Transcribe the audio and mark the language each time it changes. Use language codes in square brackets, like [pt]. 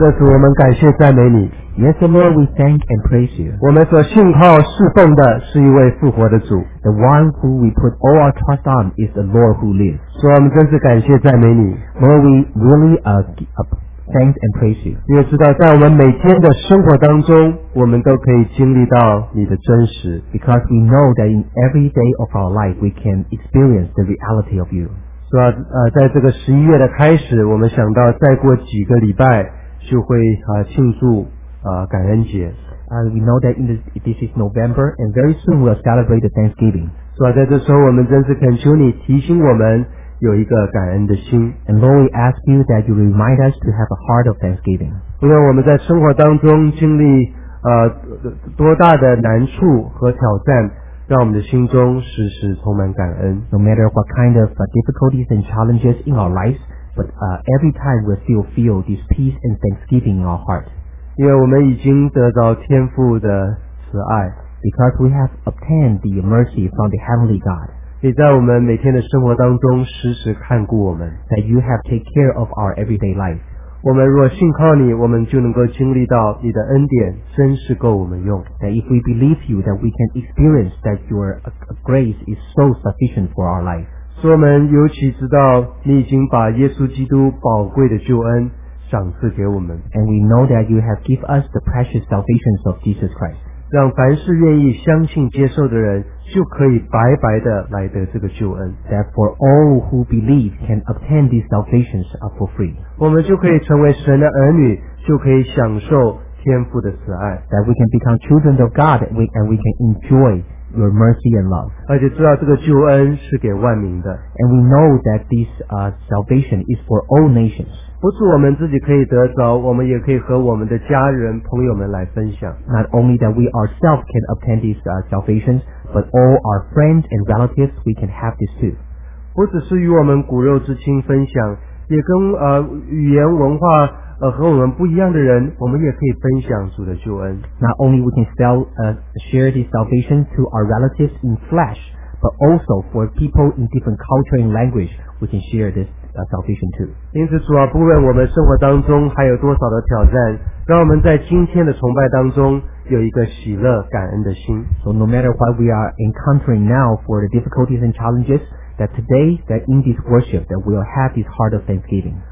[zh] 是的，主，我们感谢赞美你。 [en] Yes, Lord, we thank and praise you. [zh] 我们所信靠侍奉的是一位复活的主。 [en] The one who we put all our trust on is the Lord who lives. [zh] 所以我们真是感谢赞美你。 [en] Lord, we really thank and praise you. [zh] 你也知道，在我们每天的生活当中，我们都可以经历到你的真实。 [en] Because we know that in every day of our life, we can experience the reality of you. [zh] 所以，在这个十一月的开始，我们想到再过几个礼拜就会庆祝。感恩节。 [en] We know that this is November, and very soon we'll celebrate the Thanksgiving. [zh] 是吧？在这时候，我们真是恳求你提醒我们有一个感恩的心。 [en] And Lord, we ask you that you remind us to have a heart of Thanksgiving. [zh] 不论我们在生活当中经历多大的难处和挑战，让我们的心中时时充满感恩。 [en] No matter what kind of difficulties and challenges in our lives, but every time we still feel this peace and Thanksgiving in our heart. [zh] 因为我们已经得到天父的慈爱 [en] ，because we have obtained the mercy from the heavenly God， [zh] 你在我们每天的生活当中时时看顾我们 [en] ，that you have take care of our everyday life。 [zh] 我们若信靠你，我们就能够经历到你的恩典真是够我们用 [en] ，that if we believe you, that we can experience that your grace is so sufficient for our life。 [zh] 所以我们尤其知道你已经把耶稣基督宝贵的救恩赏赐给我们。 [en] And we know that you have given us the precious salvation of Jesus Christ. [zh] 让凡是愿意相信接受的人就可以白白的来得这个救恩。 [en] That for all who believe can obtain these salvations for free. [zh] 我们就可以成为神的儿女，就可以享受天父的慈爱。 [en] That we can become children of God and we can enjoy your mercy and love. [zh] 而且知道这个救恩是给万民的。 [en] And we know that this salvation is for all nations. [zh] 不是我们自己可以得着，我们也可以和我们的家人朋友们来分享。 [en] Not only that we ourselves can obtain this salvation, but all our friends and relatives, we can have this too. [zh] 不只是与我们骨肉之亲分享，也跟语言文化和我们不一样的人，我们也可以分享主的救恩。 [en] Not only we can share this salvation to our relatives in flesh, but also for people in different culture and language, we can share this salvation too. [zh] 因此主啊，不论我们生活当中还有多少的挑战，让我们在今天的崇拜当中有一个喜乐感恩的心。 [en] So no matter what we are encountering now for the difficulties and challenges, that today, that in this worship, that we'll have this heart of thanksgiving.